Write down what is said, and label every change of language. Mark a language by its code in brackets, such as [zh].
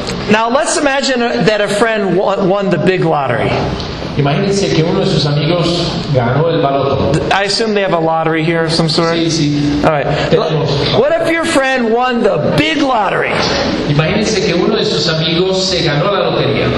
[en] now let's imagine that a friend won the big lottery. [es] Imagínense que uno de sus amigos ganó el baloto. [en] I assume they have a lottery here of some sort. [es] Sí, sí. [en] All right. What if your friend won the big lottery? [es] Imagínense que uno de sus amigos se ganó la lotería.